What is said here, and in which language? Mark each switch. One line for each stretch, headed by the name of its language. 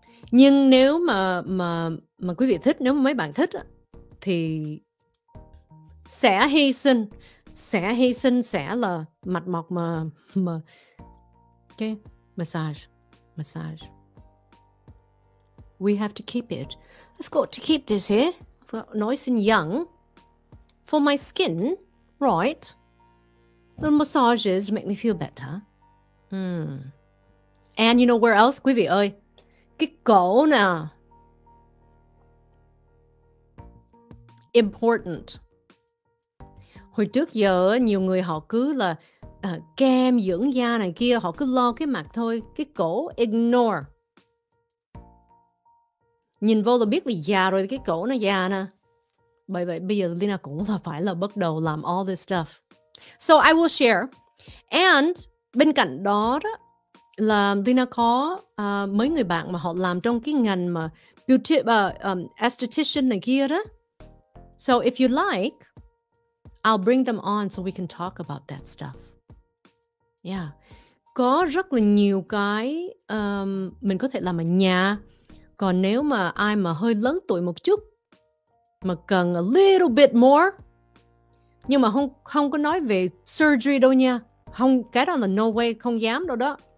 Vietnamese: Nhưng nếu mà quý vị thích, nếu mà mấy bạn thích thì sẽ hy sinh sẽ là mặt mọc mà okay.
English: massage. We have to keep it. I've got to keep this here nice and young for my skin, right? The massages make me feel better. And you know where else,
Vietnamese: quý vị ơi? Cái cổ nè.
English: Important.
Vietnamese: Hồi trước giờ nhiều người họ cứ là kem dưỡng da này kia, họ cứ lo cái mặt thôi. Cái cổ, ignore. Nhìn vô là biết là già rồi, cái cổ nó già nè. Bởi vậy bây giờ Leyna cũng là phải là bắt đầu làm
English: all this stuff. So I will share.
Vietnamese: And bên cạnh đó là Leyna có mấy người bạn mà họ làm trong cái ngành mà beauty, esthetician này kia đó.
English: So if you like, I'll bring them on so we can talk about that stuff. Yeah.
Vietnamese: Có rất là nhiều cái mình có thể làm ở nhà. Còn nếu mà ai mà hơi lớn tuổi một chút mà cần
English: a little bit more,
Vietnamese: Nhưng mà không có nói về surgery đâu nha. Không, cái đó là
English: no way,
Vietnamese: không dám đâu đó.